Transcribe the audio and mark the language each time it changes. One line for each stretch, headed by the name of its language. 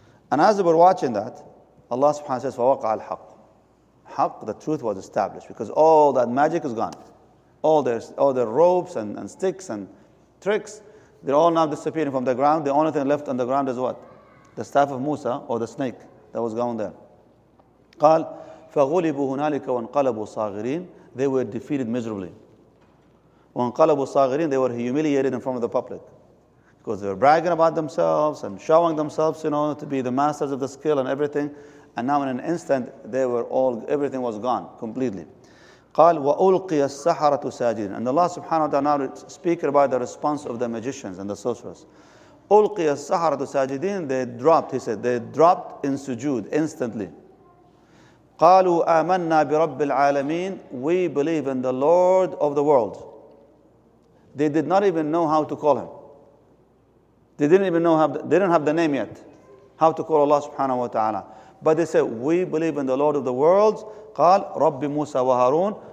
English: And as they were watching that, Allah subhanahu wa ta'ala says,
Arabic: فَوَقَعَ الْحَقُّ.
English: Haqq, the truth was established because all that magic is gone. All their ropes and sticks and tricks, they're all now disappearing from the ground. The only thing left on the ground is what? The staff of Musa or the snake that was gone there.
Arabic: قال فغلبوا هنالك وانقلبوا صاغرين.
English: They were defeated miserably.
Arabic: وانقلبوا صاغرين,
English: they were humiliated in front of the public because they were bragging about themselves and showing themselves, you know, to be the masters of the skill and everything. And now in an instant, everything was gone completely.
Arabic: قال وألقي السحرة ساجدين.
English: And Allah subhanahu wa ta'ala now speaking about the response of the magicians and the sorcerers.
Arabic: ألقي السحرة ساجدين.
English: They dropped, he said, they dropped in sujood instantly.
Arabic: قالوا آمنا برب العالمين.
English: We believe in the Lord of the world. They did not even know how to call him. They didn't even know, they didn't have the name yet, how to call Allah subhanahu wa ta'ala. But they said, we believe in the Lord of the worlds.
Arabic: قال رب موسى وهارون.